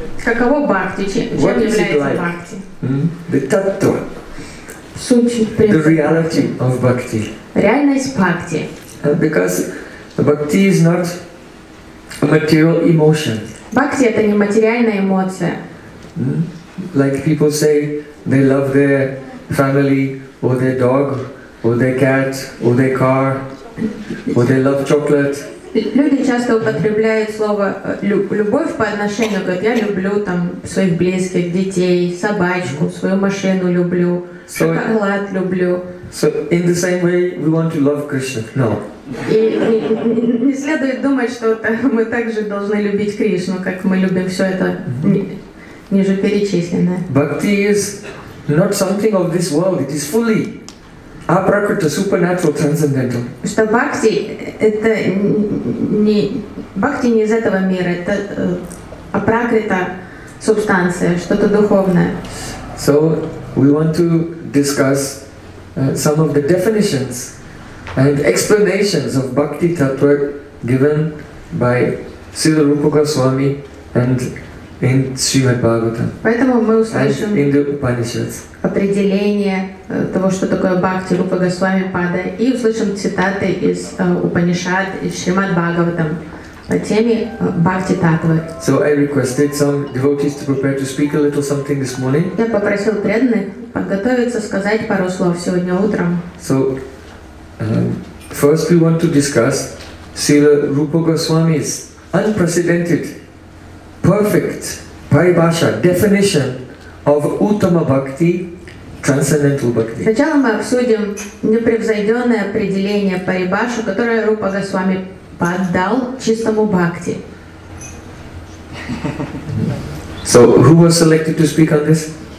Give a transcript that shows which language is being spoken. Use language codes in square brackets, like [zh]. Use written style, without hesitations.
[ru] Каково Бхакти? Чем является [en] like? [ru] Бхакти? [en] The таттва. [ru] Суть, [en] the reality of Bhakti. [ru] Реальность Бхакти. [en] Because Bhakti is not a material emotion. [ru] Бхакти – это не материальная эмоция. [en] Like people say, they love their family, or their dog, or their cat, or their car, or they love chocolate. [ru] Люди часто употребляют слово «любовь» по отношению, говорят, я люблю там своих близких, детей, собачку, свою машину люблю, шоколад люблю. [en] So in the same way, we want to love Krishna. No. [ru] И не следует думать, что мы также должны любить Кришну, как мы любим все это ниже перечисленное. [en] Bhakti is not something of this world. It is fully aprakrita, supernatural, transcendental. [ru] Что Бхакти это не Бхакти не из этого мира. Это апракрита субстанция, что-то духовное. [en] So we want to discuss some of the definitions and explanations of Bhakti Tattva given by Srila Rupa Goswami and in Srimad Bhagavatam. [ru] Поэтому мы услышим [en] in the Upanishads. [ru] Определение того, что такое Бхакти Рупа Госвами Пада, и услышим цитаты из Упанишад и Шримад Бхагаватам по теме Бхакти Таттвы. [en] So I requested some devotees to prepare to speak a little something this morning. [ru] Я попросил преданных подготовиться сказать пару слов сегодня утром. [en] So first we want to discuss Srila Rupa Goswami's unprecedented, perfect paribhasha definition of uttama bhakti, transcendental bhakti. [ru] Сначала мы обсудим непревзойденное определение парибашу, которое Рупа Госвами поддал чистому бхакти. [en] So who was selected to speak on this?